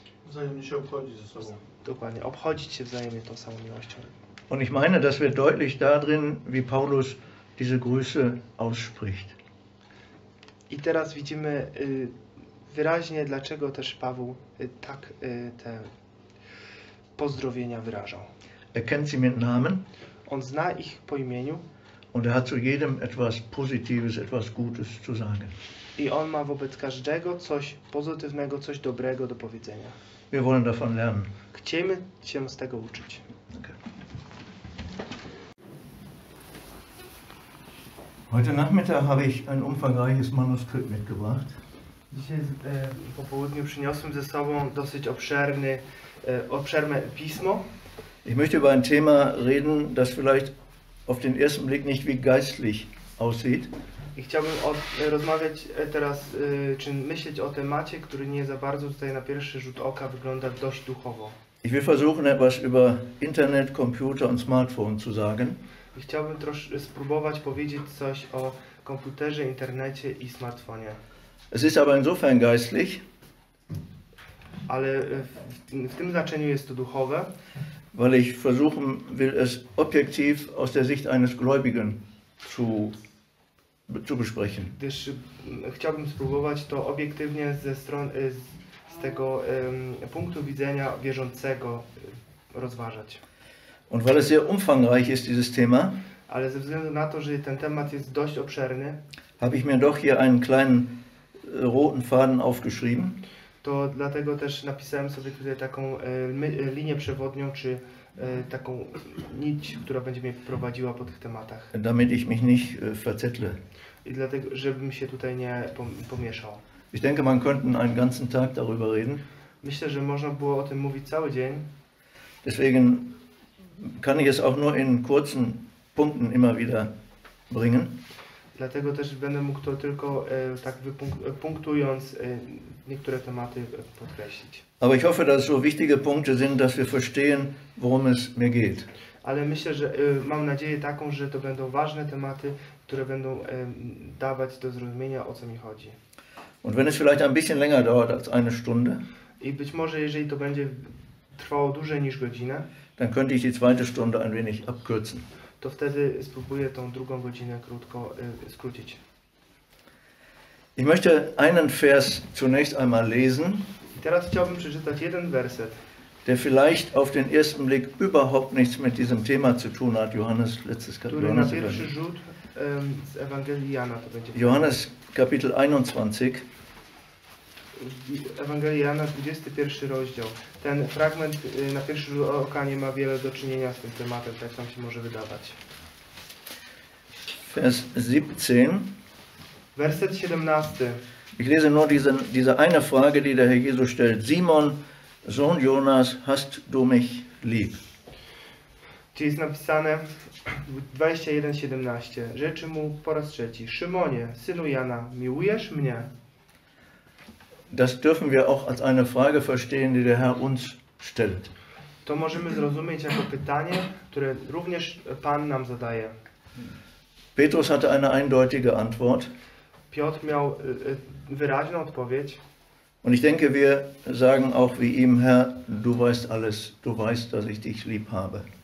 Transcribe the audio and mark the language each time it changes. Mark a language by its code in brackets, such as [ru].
[pl] wzajemnie się obchodzić ze sobą. Dokładnie, obchodzić się wzajemnie tą samą miłością. [de] Und ich meine, das wird deutlich darin, wie Paulus diese Grüße ausspricht. [pl] I teraz widzimy wyraźnie, dlaczego też Paweł tak te pozdrowienia wyrażał. [de] Er kennt sie mit Namen. [pl] On zna ich po imieniu. [de] Und hat zu jedem etwas Positives, etwas Gutes zu sagen. [pl] I on ma wobec każdego coś pozytywnego, coś dobrego do powiedzenia. [de] Wir wollen davon lernen. [pl] Chcemy się z tego uczyć. Okay. [de] Heute Nachmittag habe ich ein umfangreiches Manuskript mitgebracht. [pl] Dzisiaj po południu przyniosłem ze sobą dosyć obszerne pismo. [de] Ich möchte über ein Thema reden, das vielleicht auf den ersten Blick nicht wie geistlich aussieht. [pl] I chciałbym rozmawiać teraz, czy myśleć o temacie, który nie za bardzo tutaj na pierwszy rzut oka wygląda dość duchowo. [de] Ich will versuchen, etwas über Internet, Computer und Smartphone zu sagen. [pl] I chciałbym spróbować powiedzieć coś o komputerze, internecie i smartfonie. [de] Es ist aber insofern geistlich. [pl] Ale w tym znaczeniu jest to duchowe. [de] Weil ich versuchen will, es objektiv aus der Sicht eines Gläubigen zu besprechen. [pl] Gdyż chciałbym spróbować to obiektywnie z tego punktu widzenia wierzącego rozważać. [de] Und weil es sehr umfangreich ist, dieses Thema, [pl] ale ze względu na to, że ten temat jest dość obszerny, [de] habe ich mir doch hier einen kleinen roten Faden aufgeschrieben. [pl] To dlatego też napisałem sobie tutaj taką linię przewodnią, czy taką nić, która będzie mnie prowadziła po tych tematach. [de] Damit ich mich nicht verzettle. [pl] I dlatego, żebym się tutaj nie pomieszał. [de] Ich denke, man könnte einen ganzen Tag darüber reden. [pl] Myślę, że można było o tym mówić cały dzień. [de] Deswegen kann ich es auch nur in kurzen Punkten immer wieder bringen. [pl] Dlatego też będę mógł to tylko tak punktując niektóre tematy podkreślić. [de] Aber ich hoffe, dass es so wichtige Punkte sind, dass wir verstehen, worum es mir geht. [pl] Ale myślę, że mam nadzieję taką, że to będą ważne tematy, które będą dawać do zrozumienia, o co mi chodzi. [de] Und wenn es vielleicht ein bisschen länger dauert als eine Stunde, [pl] i być może jeżeli to będzie trwało dłużej niż godzinę, [de] dann könnte ich die zweite Stunde ein wenig abkürzen. [pl] To wtedy spróbuję tą drugą godzinę krótko skrócić. [de] Ich möchte einen Vers zunächst einmal lesen. [pl] I teraz chciałbym przeczytać jeden werset, [de] der vielleicht auf den ersten Blick überhaupt nichts mit diesem Thema zu tun hat. Johannes, letztes Kapitel. [pl] Który na pierwszy rzut z Ewangelii Jana to będzie. [de] Johannes, Kapitel 21. [pl] Ewangelii Jana, 21 rozdział. Ten fragment na pierwszy rzut oka nie ma wiele do czynienia z tym tematem, tak nam się może wydawać. [de] Vers 17. [pl] Werset 17. [de] Ich lese nur diese eine Frage, die der Herr Jesus stellt. Simon, Sohn Jonas, hast du mich lieb? [pl] Czyli jest napisane 21:17. Rzeczy mu po raz trzeci. Szymonie, synu Jana, miłujesz mnie? [de] Das dürfen wir auch als eine Frage verstehen, die der Herr uns stellt. [pl] To możemy zrozumieć jako pytanie, które również Pan nam zadaje. [de] Petrus hatte eine eindeutige Antwort. [pl] Piotr miał wyraźną odpowiedź. [de] Und ich denke, wir sagen auch wie ihm, Herr, du weißt alles, du weißt, dass ich dich lieb habe.